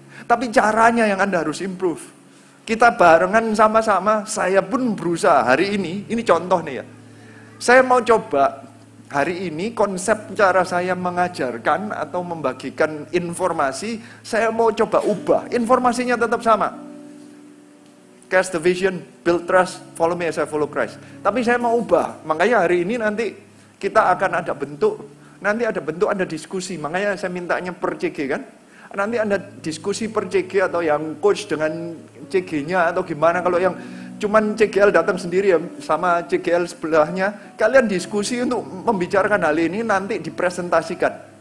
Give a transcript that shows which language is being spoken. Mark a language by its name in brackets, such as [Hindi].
[Indonesian] Tapi caranya yang Anda harus improve. Kita barengan sama-sama, saya pun berusaha hari ini contoh nih ya. Saya mau coba hari ini konsep cara saya mengajarkan atau membagikan informasi, saya mau coba ubah. Informasinya tetap sama. [English] Cast the vision, build trust, follow me as I follow Christ. [Indonesian] Tapi saya mau ubah, makanya hari ini nanti kita akan ada bentuk, nanti ada bentuk, ada diskusi. Makanya saya mintanya per CG kan. nanti Anda diskusi per CG atau yang coach dengan CG-nya atau gimana. Kalau yang cuman CGL datang sendiri ya sama CGL sebelahnya, kalian diskusi untuk membicarakan hal ini, nanti dipresentasikan.